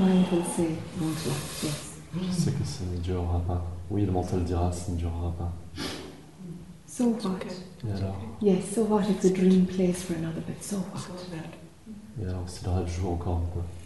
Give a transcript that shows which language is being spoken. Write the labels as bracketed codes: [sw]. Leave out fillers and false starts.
[fr] Je sais que ça ne durera pas. Oui, le mental dira, ça ne durera pas. [en] So what? [fr] Et alors? [en] Yes, so what if the dream plays for another bit? So what? [fr] Et alors, si le rêve joue encore un peu?